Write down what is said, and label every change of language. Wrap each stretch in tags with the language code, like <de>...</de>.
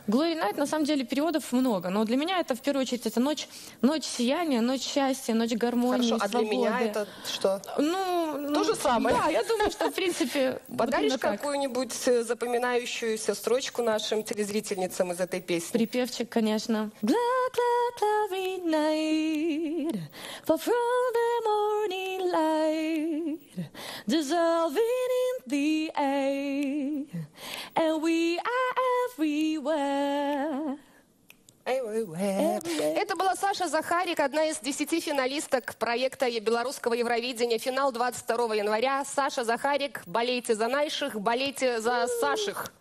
<ru>Gloria Night, на самом деле, переводов много. Но для меня это, в первую очередь, это ночь сияния, ночь счастья, ночь гармонии, Хорошо, свободы. А для меня это что? Ну, то же самое. Да, я думаю, что, в принципе, подаришь какую-нибудь запоминающуюся строчку нашим телезрительницам из этой песни? Припевчик, конечно.</ru> <en>Gloria Night, for from the morning light, dissolving in the air, and we are everywhere.</en> <ru>Это была Саша Захарик, одна из 10 финалисток проекта белорусского Евровидения. Финал 22 января. Саша Захарик, болейте за наших, болейте за Саших.</ru>